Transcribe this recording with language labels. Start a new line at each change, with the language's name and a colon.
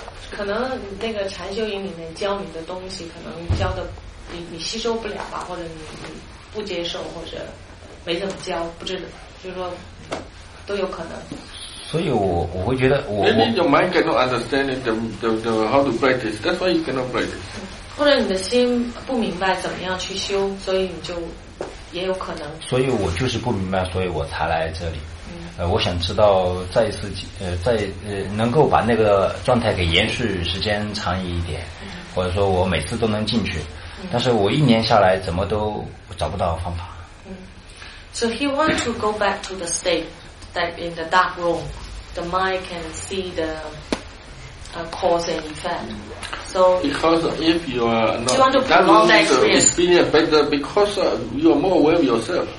Chinese: 可能那个禅修营里面教你的东西可能教的你吸收不了吧，或者你不接受，或者没怎么教，不知道，就是说都有可能。所以我会觉得我
English: maybe your mind cannot understand the how to practice. That's why you cannot practice.
Chinese: 或者你的心不明白怎么样去修，所以你就也有可能。所以我就是不明白，所以我才来这里。嗯，我想知道再一次能够把那个状态给延续时间长一点，嗯，或者说我每次都能进去，嗯，但是我一年下来怎么都找不到方法。
English: 嗯 ，So he want to go back to the state. That in the dark room, the mind can see the cause and effect. So because if you are not, you want to that room is being better because you are more aware of yourself.